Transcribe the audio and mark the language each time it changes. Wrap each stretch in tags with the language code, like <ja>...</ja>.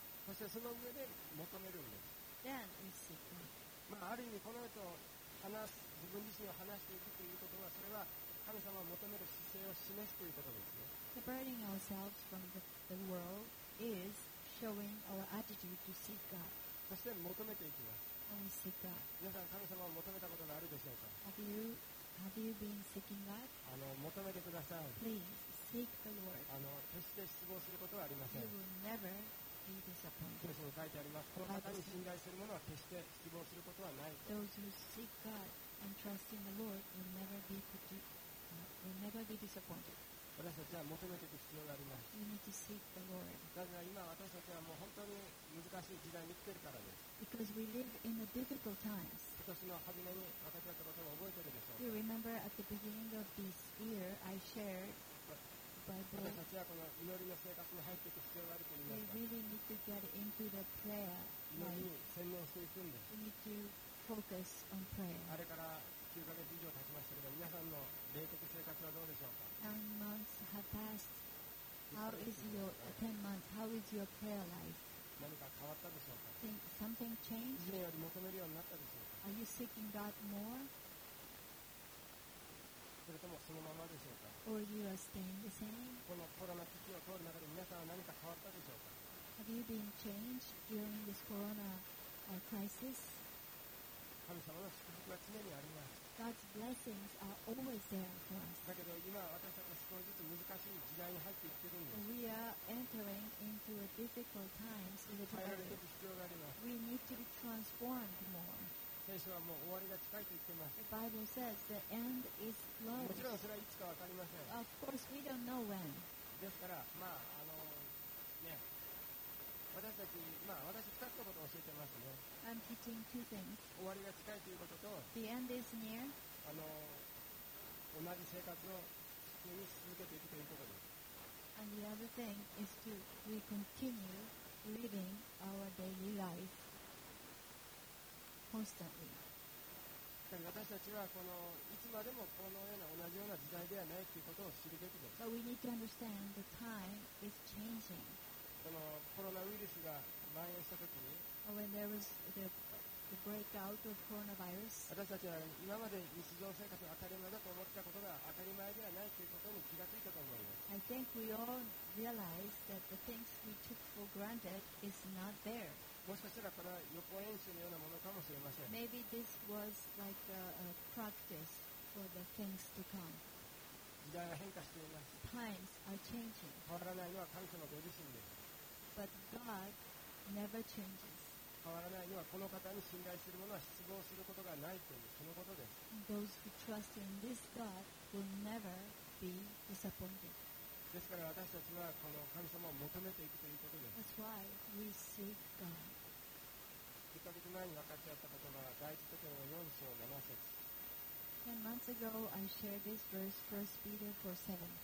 <ja>そしてその上で求めるんです。</ja> <en>Then we seek God.</en> <ja>まあある意味この人を話す自分自身を話していくということはそれは神様を求める姿勢を示すということですね。</ja> <en>Separating ourselves from the world is showing our attitude to seek God.</en> <ja>そして求めていきます。</ja> <en>And we seek God.</en> <ja>皆さん神様を求めたことがあるでしょうか。</ja> <en>Have you been seeking God?</en> <ja>求めてください。</ja> <en>Please seek the Lord.</en> <ja>決して失望することはありません。</ja> <en>You will never be disappointed.</en> <ja>聖書に書いてあります。この方に信頼する者は決して失望することはない</ja> <en>Those who seek God and trust in the Lord will never be put to We'll never be disappointed.</en> <ja>私たちは求めていく必要があります。</ja> <en>We need to seek the Lord.</en> <ja>だから今私たちはもう本当に難しい時代に来ているからです。</ja> <en>Because we live in a difficult times.</en> <ja>今年の初めに私たちのことを覚えているでしょう。</ja> <en>Do you remember at the beginning of this year I shared by the</en> <ja>私たちはこの祈りの生活に入っていく必要があると言いました。</ja> <en>We really need to get into the prayer life.</en> <ja>祈りに専念していくんです。</ja> <en>We need to focus on prayer.</en> <ja>あれから9ヶ月以上経ちましたけど、皆さんの霊的生活はどうでしょうか。</ja> <en>9 months have passed. How is your 10 months? How is your prayer life?</en> <ja>何か変わったでしょうか。</ja> <en>Think something changed?</en> <ja>以前より求めるようになったでしょうか。</ja> <en>Are you seeking God more?</en> <ja>それともそのままでしょうか。</ja> <en>Or you are staying the same?</en> <ja>このコロナ危機を通る中で皆さんは何か変わったでしょうか。</ja> <en>Have you been changed during this corona crisis?</en> <ja>神様の祝福は常にあります。</ja> <en>God's blessings are always there for us.</en> <ja>だけど今私たちは少しずつ難しい時代に入っていってるんです。</ja> <en>We are entering into a difficult times in the world.</en> <ja>変えられる必要があります。</ja> <en>We need to be transformed more.</en> <ja>聖書はもう終わりが近いと言ってます。</ja> <en>The Bible says the end is close.</en> <ja>もちろんそれはいつかわかりません。</ja> <en>Of course we don't know when.</en> <ja>ですから、まあ、ね、私たち、まあ、私2つのことを教えてますね。</ja> <en>I'm teaching two things.</en> <ja>終わりが近いということと、</ja> <en>The end is near.</en> <ja>同じ生活を普通に続けていくということです。</ja> <en>And the other thing is to we continue living our daily life constantly. But we need to understand the time is changing.</en> <ja>このコロナウイルスが蔓延したときに</ja> <en>when there was the breakout of coronavirus,</en> <ja>私たちは今まで日常生活が当たり前だと思ったことが当たり前ではないということに気がついたと思います。</ja> <en>I think we all realized that the things we took for granted is not there.</en> <ja>もしかしたらこれは予行演習のようなものかもしれません。</ja> <en>Maybe this was like a practice for the things to come.</en> <ja>時代は変化しています。</ja> <en>Times are changing.</en> <ja>変わらないのは神様ご自身です。</ja> <en>But God never changes.</en> <ja>変わらないにはこの方に信頼するものは失望することがないというそのことです。</ja> <en>Those who trust in this God will never be disappointed.</en> <ja>ですから私たちはこの神様を求めていくということです。</ja> <en>That's why we seek God.</en> <ja>1ヶ月前に分かち合ったことが第一ペテロ4章7節。</ja> <en>10 months ago, I shared this verse, 1 Peter 4:7.</en>